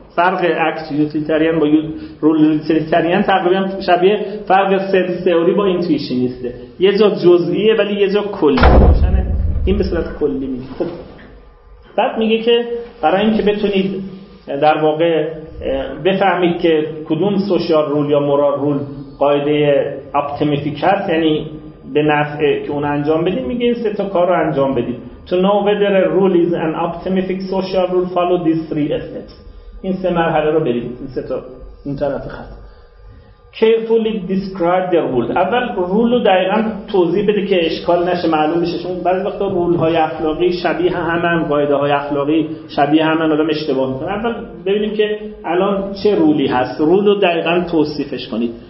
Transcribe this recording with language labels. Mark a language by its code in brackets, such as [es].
[fa] فرق اکت یوتیلیتریان با رول یوتیلیتریان تقریبا شبیه فرق سنس تئوری با اینتویشنیسته، یه جا جزئیه ولی یه جا کلیه، این به صورت کلی میگه. خب بعد میگه که برای اینکه بتونید در واقع بفهمید که کدوم سوشیال رول یا مورال رول قاعده اپتیمیفیکاست، یعنی به نفع که اون انجام بدید، میگه این سه تا کار رو انجام بدید. [en] To know whether a rule is an optimific social rule, follow these three steps. [fa] این سه مرحله رو برید، این سه تا این طرف خط. [en] Carefully describe the rule. [fa] اول رول رو دقیقا توضیح بده که اشکال نشه، معلوم بشه. چون بعضی وقتا رول های اخلاقی شبیه همن، قاعده های اخلاقی شبیه همن، آدم اشتباه میکنه. اول ببینیم که الان چه رولی هست، رول رو دقیقا توصیفش کنید.